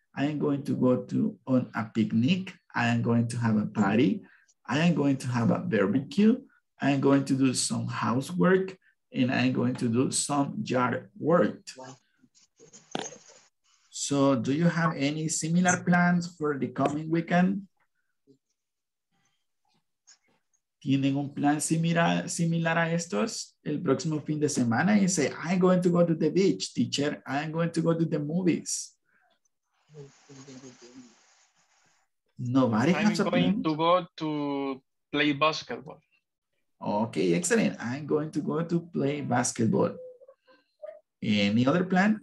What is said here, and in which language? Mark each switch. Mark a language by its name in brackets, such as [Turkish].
[English] I am going to go to on a picnic. I am going to have a party. I am going to have a barbecue. I am going to do some housework. And I am going to do some yard work. So do you have any similar plans for the coming weekend? [Spanish] ¿Tienen un plan similar a estos el próximo fin de semana? [English] Y say, I'm going to go to the beach, teacher. I'm going to go to the movies. Nobody has a plan. I'm going to go to play basketball. Okay, excellent. I'm going to go to play basketball. Any other plan?